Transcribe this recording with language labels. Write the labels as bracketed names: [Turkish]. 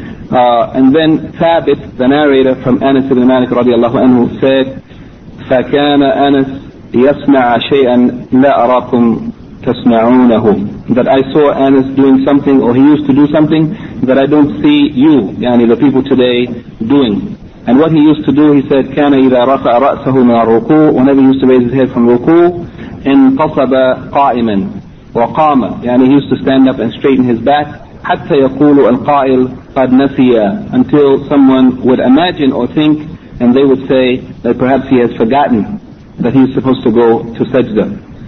[English] And then Thabit, the narrator from Anas ibn Malik radiallahu anhu, said [Arabic] فكان أنس يسمع شيئا لا أراكم تسمعونه. [English] That I saw Anas doing something, or he used to do something that I don't see you, يعني the people today, doing. And what he used to do, he said, [Arabic] كان إذا رفع رأسه من الركوع, [English] whenever he used to raise his head from ركوع, [Arabic] انقصب قائما وقام, [English] يعني he used to stand up and straighten his back, [Arabic] حتى يقول القائل قد نسي, [English] until someone would imagine or think, and they would say that perhaps he has forgotten that he is supposed to go to sajda.